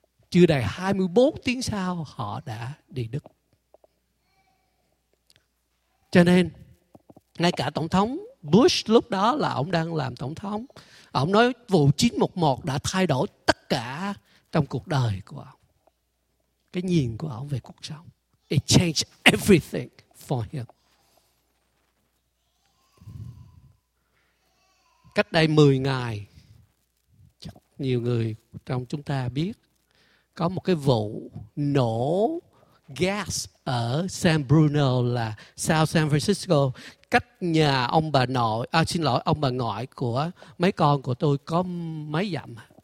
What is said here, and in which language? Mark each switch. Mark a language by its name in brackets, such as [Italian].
[Vietnamese] Chưa đầy 24 tiếng sau, họ đã đi đức. Cho nên, ngay cả Tổng thống Bush lúc đó là ông đang làm Tổng thống. Ông nói vụ 911 đã thay đổi tất cả trong cuộc đời của ông. Cái nhìn của ông về cuộc sống. [English] It changed everything for him. [Vietnamese] Cách đây 10 ngày, chắc nhiều người trong chúng ta biết, có một cái vụ nổ gas ở San Bruno là South San Francisco, cách nhà ông bà nội, ông bà ngoại của mấy con của tôi có mấy dặm.